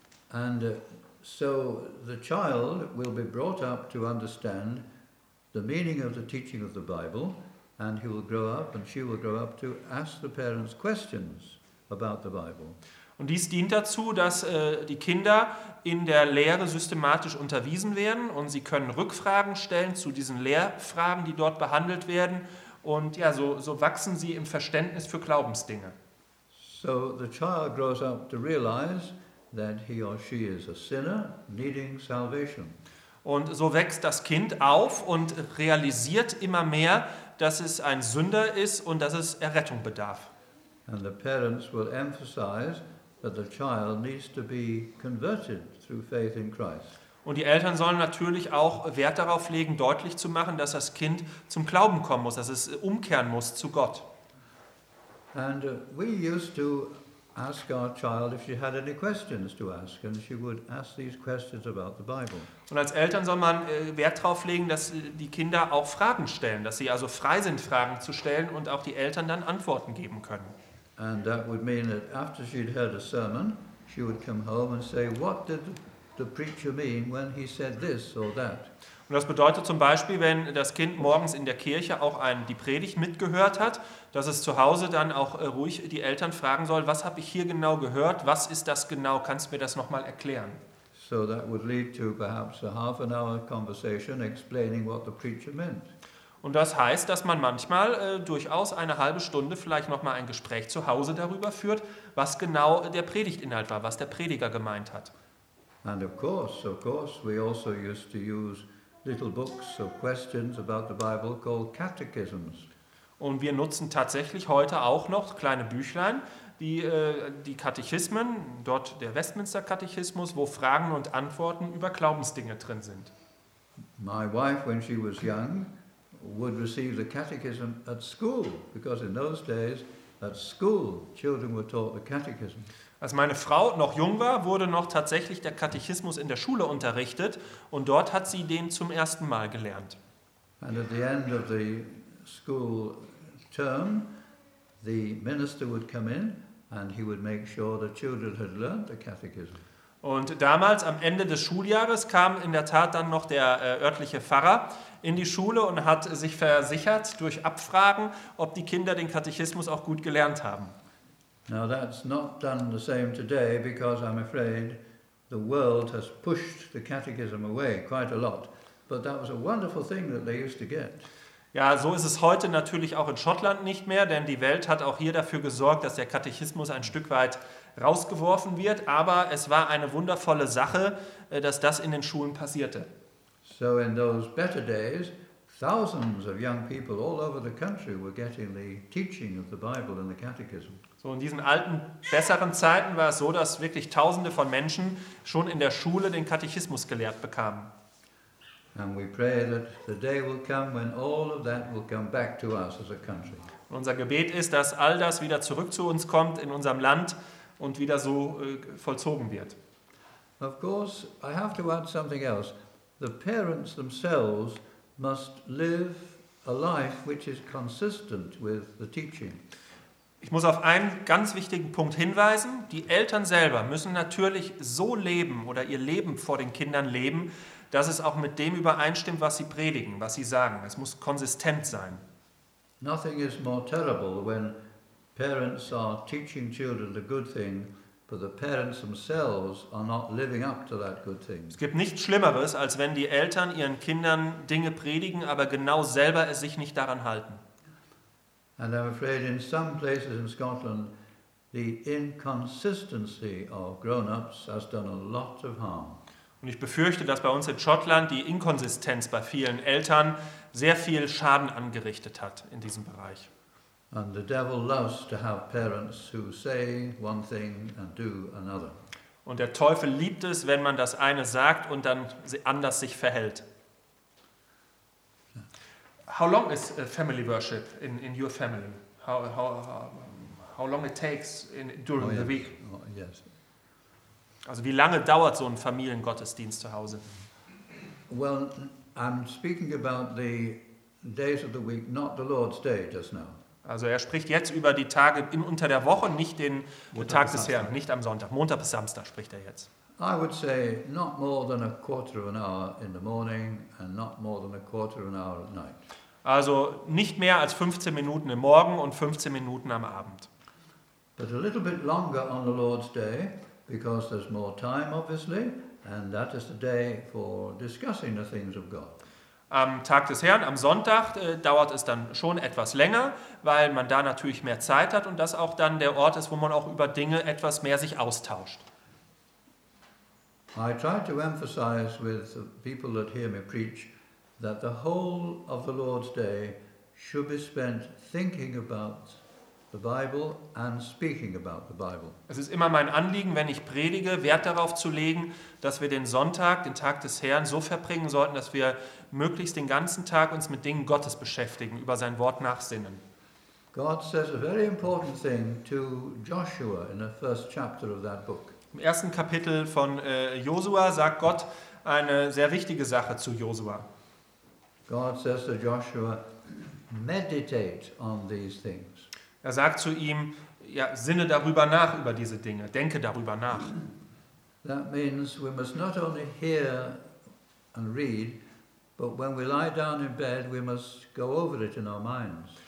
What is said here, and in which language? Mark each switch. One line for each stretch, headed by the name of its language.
English: And so the child will be brought up to understand the meaning of the teaching of the Bible, and he will grow up and she will grow up to ask the parents questions about the Bible.
German: Und dies dient dazu, dass die Kinder in der Lehre systematisch unterwiesen werden und sie können Rückfragen stellen zu diesen Lehrfragen, die dort behandelt werden. Und ja, so wachsen sie im Verständnis für Glaubensdinge.
English: So the child grows up to realize that he or she is a sinner needing salvation.
German: Und so wächst das Kind auf und realisiert immer mehr, dass es ein Sünder ist und dass es Errettung bedarf.
English: And the parents will emphasize that the child needs to be converted through faith in Christ.
German: Und die Eltern sollen natürlich auch Wert darauf legen, deutlich zu machen, dass das Kind zum Glauben kommen muss, dass es umkehren muss zu Gott.
English: And we used to ask our child if she had any questions to ask, and she would ask these questions about the Bible.
German: Und als Eltern soll man Wert darauf legen, dass die Kinder auch Fragen stellen, dass sie also frei sind, Fragen zu stellen und auch die Eltern dann Antworten geben können.
English: And that would mean that after she'd heard a sermon, she would come home and say, what did the preacher mean when he said this or that?
German: Und das bedeutet zum Beispiel, wenn das Kind morgens in der Kirche auch die Predigt mitgehört hat, dass es zu Hause dann auch ruhig die Eltern fragen soll, was habe ich hier genau gehört, was ist das genau, kannst du mir das nochmal erklären?
English: So that would lead to perhaps a half an hour conversation explaining what the preacher meant.
German: Und das heißt, dass man manchmal durchaus eine halbe Stunde vielleicht nochmal ein Gespräch zu Hause darüber führt, was genau der Predigtinhalt war, was der Prediger gemeint hat.
English: And of course, we also used to use little books of questions about the Bible called catechisms.
German: Und wir nutzen tatsächlich heute auch noch kleine Büchlein, die Katechismen, dort der Westminster-Katechismus, wo Fragen und Antworten über Glaubensdinge drin sind.
English: My wife, when she was young, would receive the catechism at school, because in those days, at school, children were taught the catechism.
German: Als meine Frau noch jung war, wurde noch tatsächlich der Katechismus in der Schule unterrichtet und dort hat sie den zum ersten Mal gelernt.
English: And at the end of the school term, the minister would come in and he would make sure the children had learned the catechism.
German: Und damals, am Ende des Schuljahres, kam in der Tat dann noch der örtliche Pfarrer in die Schule und hat sich versichert durch Abfragen, ob die Kinder den Katechismus auch gut gelernt haben.
English: Now that's not done the same today, because I'm afraid the world has pushed the catechism away quite a lot. But that was a wonderful thing that they used to get.
German: Ja, so ist es heute natürlich auch in Schottland nicht mehr, denn die Welt hat auch hier dafür gesorgt, dass der Katechismus ein Stück weit rausgeworfen wird. Aber es war eine wundervolle Sache, dass das in den Schulen passierte.
English: So in those better days, thousands of young people all over the country were getting the teaching of the Bible and the catechism.
German: So in diesen alten, besseren Zeiten war es so, dass wirklich Tausende von Menschen schon in der Schule den Katechismus gelehrt bekamen.
English: And we pray that the day will come when all of that will come back to us as a country.
German: Und unser Gebet ist, dass all das wieder zurück zu uns kommt in unserem Land und wieder so vollzogen wird.
English: Of course, I have to add something else. The parents themselves must live a life which is consistent with the teaching.
German: Ich muss auf einen ganz wichtigen Punkt hinweisen. Die Eltern selber müssen natürlich so leben oder ihr Leben vor den Kindern leben, dass es auch mit dem übereinstimmt, was sie predigen, was sie sagen. Es muss konsistent sein.
English: Nothing is more terrible when parents are teaching children the good thing, but the parents themselves are not living up to that good thing.
German: Es gibt nichts Schlimmeres, als wenn die Eltern ihren Kindern Dinge predigen, aber genau selber es sich nicht daran halten.
English: And I'm afraid in some places in Scotland, the inconsistency of grown-ups has done a lot of harm.
German: Und ich befürchte, dass bei uns in Schottland die Inkonsistenz bei vielen Eltern sehr viel Schaden angerichtet hat in diesem Bereich.
English: And the devil loves to have parents who say one thing and do another.
German: Und der Teufel liebt es, wenn man das eine sagt und dann anders sich verhält.
English: How long is family worship in your family? How long it takes during the week? Yes.
German: Also wie lange dauert so ein Familiengottesdienst zu Hause?
English: Well, I'm speaking about the days of the week, not the Lord's Day just now.
German: Also er spricht jetzt über die Tage unter der Woche, nicht den Tag des Herrn, nicht am Sonntag. Montag bis Samstag spricht er jetzt.
English: I would say not more than a quarter of an hour in the morning and not more than a quarter of an hour at night.
German: Also nicht mehr als 15 Minuten im Morgen und 15 Minuten am Abend.
English: But a little bit longer on the Lord's Day, because there's more time obviously, and that is the day for discussing the things of God.
German: Am Tag des Herrn, am Sonntag, dauert es dann schon etwas länger, weil man da natürlich mehr Zeit hat und das auch dann der Ort ist, wo man auch über Dinge etwas mehr sich austauscht.
English: I try to emphasize with the people that hear me preach that the whole of the Lord's Day should be spent thinking about the Bible and speaking about the Bible.
German: Es ist immer mein Anliegen, wenn ich predige, Wert darauf zu legen, dass wir den Sonntag, den Tag des Herrn, so verbringen sollten, dass wir möglichst den ganzen Tag uns mit Dingen Gottes beschäftigen, über sein Wort nachsinnen.
English: God says a very important thing to Joshua in the first chapter of that book.
German: Im ersten Kapitel von Josua sagt Gott eine sehr wichtige Sache zu Josua.
English: God says to Joshua, meditate on these things.
German: Er sagt zu ihm, ja, sinne darüber nach über diese Dinge, denke darüber nach.
English: That means we must not only hear and read, But when we lie down in bed, we must go over it in our minds.